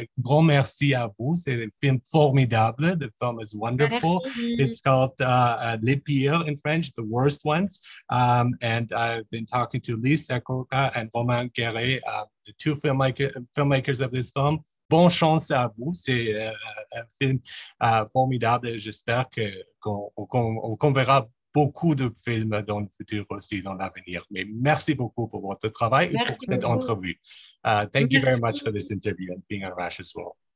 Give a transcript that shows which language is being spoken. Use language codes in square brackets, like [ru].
[fr] Grand merci à vous. C'est un film formidable. [en] The film is wonderful. [fr] Merci. [en] It's called Les Pires in French, The Worst Ones. And I've been talking to Lise Akoka and Romane Gueret, the two filmmakers of this film. [fr] Bon chance à vous. C'est un film formidable. J'espère qu'on verra beaucoup de films dans le futur aussi, dans l'avenir. Mais merci beaucoup pour votre travail et pour cette entrevue. [en] Thank you very much for this interview and being on Rash as well.